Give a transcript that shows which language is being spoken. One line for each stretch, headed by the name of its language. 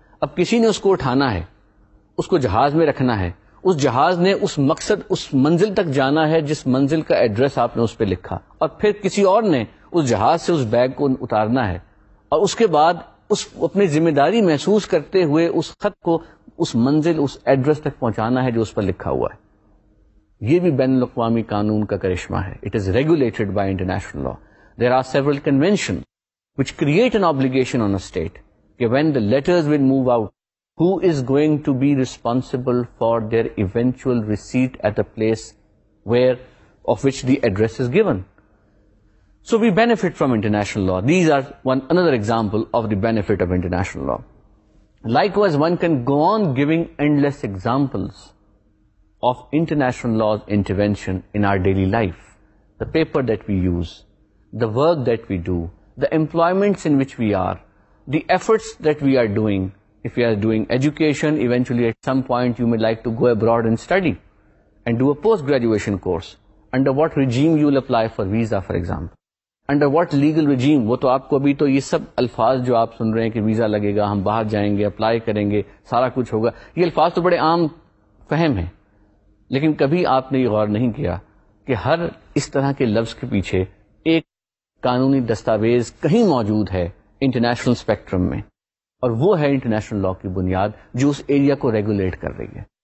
Urdu: اب کسی نے اس کو اٹھانا ہے, اس کو جہاز میں رکھنا ہے, اس جہاز نے اس مقصد اس منزل تک جانا ہے جس منزل کا ایڈریس آپ نے اس پہ لکھا, اور پھر کسی اور نے اس جہاز سے اس بیگ کو اتارنا ہے, اور اس کے بعد اس اپنی ذمہ داری محسوس کرتے ہوئے اس خط کو اس منزل اس ایڈریس تک پہنچانا ہے جو اس پر لکھا ہوا ہے. یہ بھی بین الاقوامی قانون کا کرشمہ ہے.
English: It is regulated by international law. There are several convention which create an obligation on a state کہ when the letters will move out, who is going to be responsible for their eventual receipt at the place where of which the address is given. So we benefit from international law. These are one another example of the benefit of international law. Likewise, one can go on giving endless examples of international law's intervention in our daily life. The paper that we use, the work that we do, the employments in which we are, the efforts that we are doing. If you are doing education, eventually at some point you may like to go abroad and study and do a post-graduation course. Under what regime you will apply for visa, for example? Under what legal regime?
Urdu: وہ تو آپ کو ابھی تو یہ سب الفاظ جو آپ سن رہے ہیں کہ ویزا لگے گا, ہم باہر جائیں گے, اپلائی کریں گے, سارا کچھ ہوگا, یہ الفاظ تو بڑے عام فہم ہیں, لیکن کبھی آپ نے یہ غور نہیں کیا کہ ہر اس طرح کے لفظ کے پیچھے ایک قانونی دستاویز کہیں موجود ہے انٹرنیشنل اسپیکٹرم میں, اور وہ ہے انٹرنیشنل لا کی بنیاد جو اس ایریا کو ریگولیٹ کر رہی ہے.